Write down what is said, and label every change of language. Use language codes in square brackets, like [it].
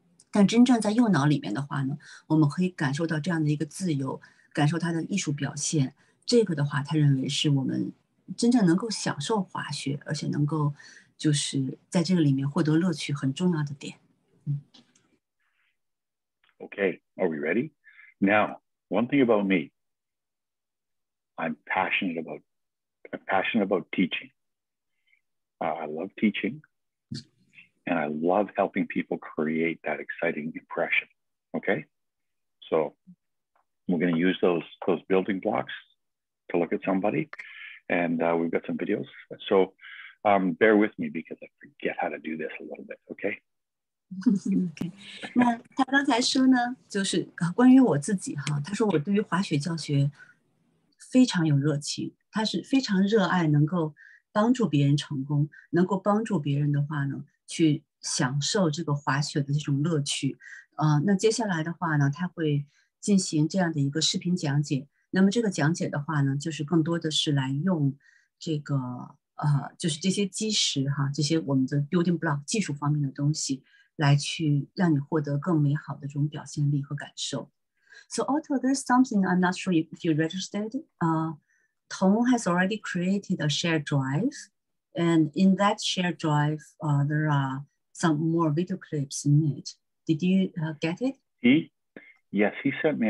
[zh] 但真正在右脑里面的话呢，我们可以感受到这样的一个自由，感受它的艺术表现。这个的话，他认为是我们真正能够享受滑雪，而且能够就是在这个里面获得乐趣很重要的点。 [en] Okay, are we ready? Now, one thing about me, I'm passionate about teaching. I love teaching, and I love helping people create that exciting impression. Okay? So we're going to use those building blocks to look at somebody, and we've got some videos. So bear with me because I forget how to do this a little bit, okay? Okay. [zh] 那他刚才说呢，就是关于我自己哈，他说我对于滑雪教学非常有热情，他是非常热爱能够帮助别人成功，能够帮助别人的话呢，去享受这个滑雪的这种乐趣。那接下来的话呢，他会进行这样的一个视频讲解。那么这个讲解的话呢，就是更多的是来用这个就是这些基石哈，这些我们的 building block 技术方面的东西。来去让你获得更美好的这种表现力和感受。 [en] So Otto, there's something I'm not sure if you registered. Tom has already created a shared drive, and in that shared drive, there are some more video clips in it. Did you get it? He sent me.